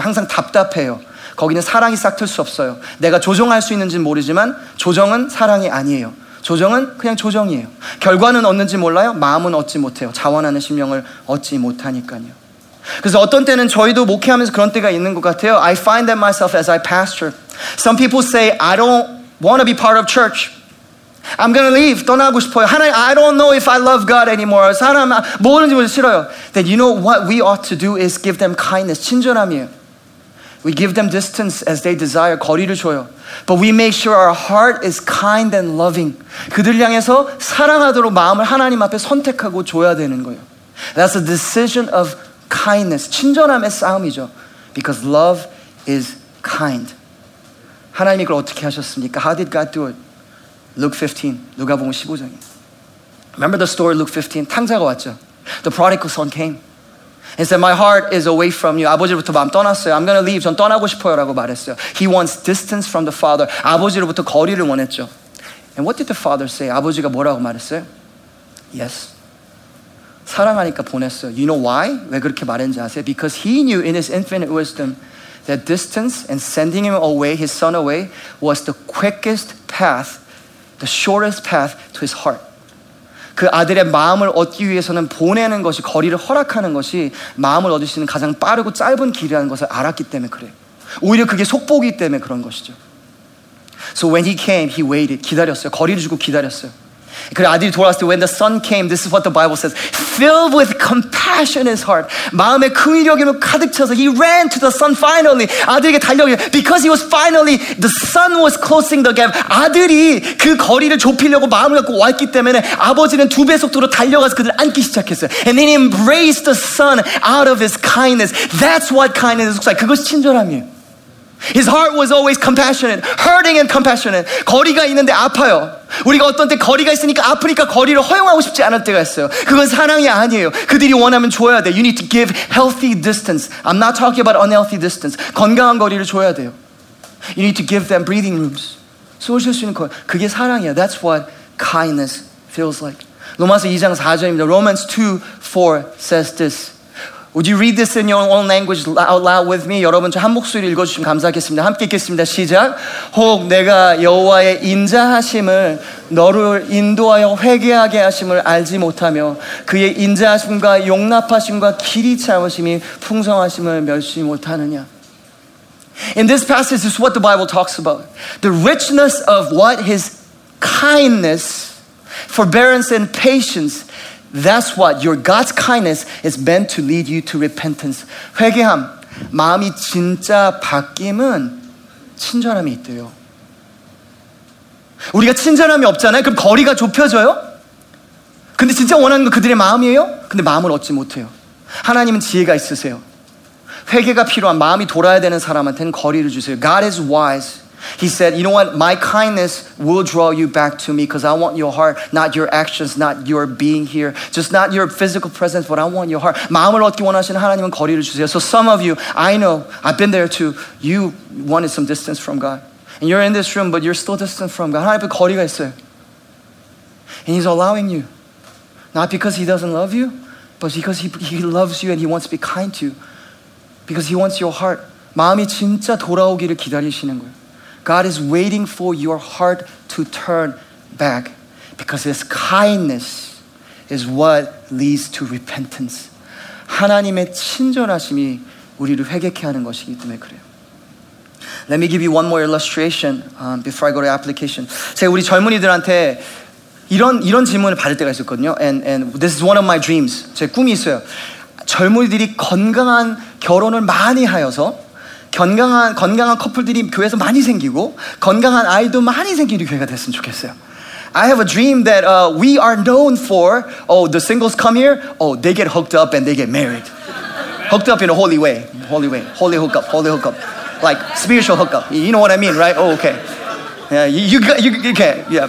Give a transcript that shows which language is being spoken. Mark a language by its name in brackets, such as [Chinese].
[Korean] 항상 답답해요. 거기는 사랑이 싹 틀 수 없어요. 내가 조정할 수 있는지는 모르지만 조정은 사랑이 아니에요. 조정은 그냥 조정이에요. 결과는 얻는지 몰라요. 마음은 얻지 못해요. 자원하는 심령을 얻지 못하니까요. 그래서 어떤 때는 저희도 목회하면서 그런 때가 있는 것 같아요. [English] I find that myself as I pastor. Some people say, I don't want to be part of church. I'm going to leave. [Korean] 떠나고 싶어요. [English] 하나님, I don't know if I love God anymore. [Korean] 사람, 모르는지 모르지 싫어요. [English] Then you know what we ought to do is give them kindness. [Korean] 친절함이에요. [English] We give them distance as they desire. [Korean] 거리를 줘요. [English] But we make sure our heart is kind and loving. [Korean] 그들 향해서 사랑하도록 마음을 하나님 앞에 선택하고 줘야 되는 거예요. [English] That's a decision of kindness. [Korean] 친절함의 싸움이죠. [English] Because love is kind. [Korean] 하나님이 그걸 어떻게 하셨습니까? [English] How did God do it? Luke 15. [Korean] 누가복음 15장에. [English] Remember the story of Luke 15? [Korean] 탕자가 왔죠. [English] The prodigal son came. He said, my heart is away from you. [Korean] 아버지로부터 마음 떠났어요. [English] I'm going to leave. [Korean] 전 떠나고 싶어요. 라고 말했어요. [English] He wants distance from the father. [Korean] 아버지로부터 거리를 원했죠. [English] And what did the father say? [Korean] 아버지가 뭐라고 말했어요? [English] Yes. [Korean] 사랑하니까 보냈어요. [English] You know why? [Korean] 왜 그렇게 말했는지 아세요? [English] Because he knew in his infinite wisdom that distance and sending him away, his son away, was the quickest path, the shortest path to his heart. [Korean] 그 아들의 마음을 얻기 위해서는 보내는 것이, 거리를 허락하는 것이 마음을 얻을 수 있는 가장 빠르고 짧은 길이라는 것을 알았기 때문에 그래요. 오히려 그게 속보기 때문에 그런 것이죠. [English] So when he came, he waited. [Korean] 기다렸어요. 거리를 주고 기다렸어요. 그리고 아들이 돌아왔을 때 [English] when the son came, this is what the Bible says. Filled with compassion in his heart. [Korean] 마음에 긍휼여김으로 가득 차서 [English] he ran to the son finally. [Korean] 아들에게 달려가요. [English] Because he was finally, the son was closing the gap. [Korean] 아들이 그 거리를 좁히려고 마음을 갖고 왔기 때문에 아버지는 두 배 속도로 달려가서 그들을 안기 시작했어요. [English] And then he embraced the son out of his kindness. That's what kindness looks like. [Korean] 그것이 친절함이에요. [English] His heart was always compassionate, hurting and compassionate. [Korean] 거리가 있는데 아파요. 우리가 어떤 때 거리가 있으니까 아프니까 거리를 허용하고 싶지 않을 때가 있어요. 그건 사랑이 아니에요. 그들이 원하면 줘야 돼. [English] You need to give healthy distance. I'm not talking about unhealthy distance. [Korean] 건강한 거리를 줘야 돼요. [English] You need to give them breathing rooms. [Korean] 숨을 쉴 수 있는 거. 그게 사랑이야. [English] That's what kindness feels like. [Korean] 로마서 2장 4절입니다. [English] Romans 2, 4 says this. Would you read this in your own language out loud with me? [Korean] 여러분, 저 한 목소리 읽어주시면 감사하겠습니다. 함께 읽겠습니다. 시작! 혹 내가 여호와의 인자하심을 너를 인도하여 회개하게 하심을 알지 못하며 그의 인자하심과 용납하심과 길이 참으심이 풍성하심을 멸시 못하느냐. [English] In this passage, this is what the Bible talks about. The richness of what his kindness, forbearance and patience. That's what your God's kindness is meant to lead you to repentance. [Korean] 회개함. 마음이 진짜 바뀜은 친절함이 있대요. 우리가 친절함이 없잖아요. 그럼 거리가 좁혀져요? 근데 진짜 원하는 건 그들의 마음이에요? 근데 마음을 얻지 못해요. 하나님은 지혜가 있으세요. 회개가 필요한, 마음이 돌아야 되는 사람한테는 거리를 주세요. [English] God is wise. He said, you know what? My kindness will draw you back to me because I want your heart, not your actions, not your being here. Just not your physical presence, but I want your heart. [Korean] 마음을 얻기 원하시는 하나님은 거리를 주세요. [English] So some of you, I know, I've been there too. You wanted some distance from God. And you're in this room, but you're still distant from God. [Korean] 하나님은 거리가 있어요. [English] And he's allowing you. Not because he doesn't love you, but because he loves you and he wants to be kind to you. Because he wants your heart. [Korean] 마음이 진짜 돌아오기를 기다리시는 거예요. [English] God is waiting for your heart to turn back because his kindness is what leads to repentance. [Korean] 하나님의 친절하심이 우리를 회개케 하는 것이기 때문에 그래요. [English] Let me give you one more illustration before I go to application. [Korean] 제가 우리 젊은이들한테 이런 질문을 받을 때가 있었거든요. [English] And this is one of my dreams. 제 꿈이 있어요. [Korean] 젊은이들이 건강한 결혼을 많이 하여서 건강한 커플들이 교회에서 많이 생기고 건강한 아이도 많이 생기는 교회가 됐으면 좋겠어요. [English] I have a dream that we are known for, oh, the singles come here, oh, they get hooked up and they get married. Hooked up in a holy way. Holy way. Holy hookup. Holy hookup. Like spiritual hookup. You know what I mean, right? Oh, okay. Yeah, you okay.